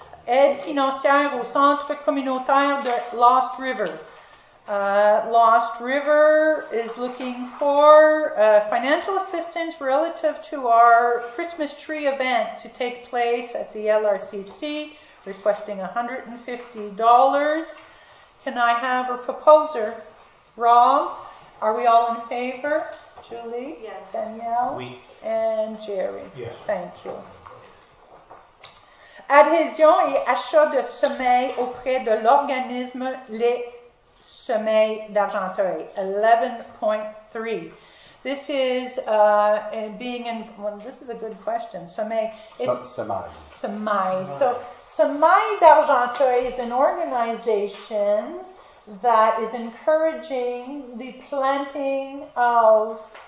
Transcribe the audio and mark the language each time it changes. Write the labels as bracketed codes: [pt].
[fr] Aide financière au centre communautaire de Lost River. [en] Lost River is looking for financial assistance relative to our Christmas tree event to take place at the LRCC, requesting $150. Can I have a proposer? Rob? Are we all in favor? Julie? Yes. Danielle? Oui. And Jerry? Yes. Thank you. [fr] Adhésion et achat de sommeil auprès de l'organisme Les Sommeils d'Argenteuil, 11.3. [en] This is being in, well, this is a good question. Sommeil. So Sommeil d'Argenteuil is an organization that is encouraging the planting of